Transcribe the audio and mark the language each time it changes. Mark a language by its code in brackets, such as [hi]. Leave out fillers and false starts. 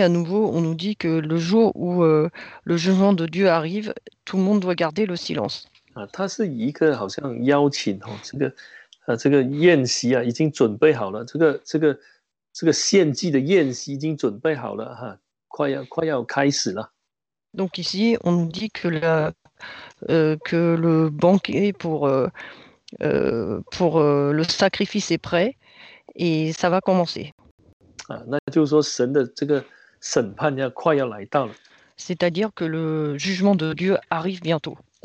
[fr] à nouveau, on nous dit que le jour où le jugement de Dieu arrive, tout le monde doit garder le silence. [zh] 它是一个好像邀请，这个。这个宴席已经准备好了，这个献祭的宴席已经准备好了，快要开始了。 [fr] Donc ici, on nous dit que le banquet pour le sacrifice est prêt et ça va commencer. [zh] 那就是说神的这个审判要快要来到了。 [fr] C'est-à-dire que le jugement de Dieu arrive bientôt.